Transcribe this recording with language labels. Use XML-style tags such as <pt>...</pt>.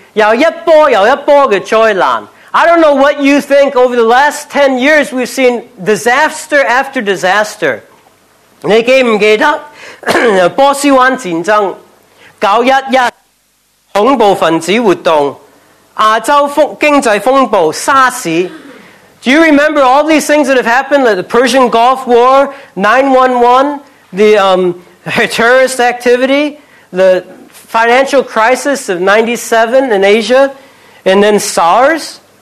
<zh>在这个经文里面我们看到呢，就是跟这些事情很有关。我不知道你有什么感受呢？是过去十年又一波又一波的灾难。</zh> <en>I don't know what you think. Over the last 10 years, we've seen disaster after disaster.</en> <zh>你记不记得波斯湾战争、911恐怖分子活动、亚洲经济风暴、沙士？</zh> <en>Do you remember all these things that have happened, like the Persian Gulf War, 911, the terrorist activity, the financial crisis of 97 in Asia, and then SARS?</en>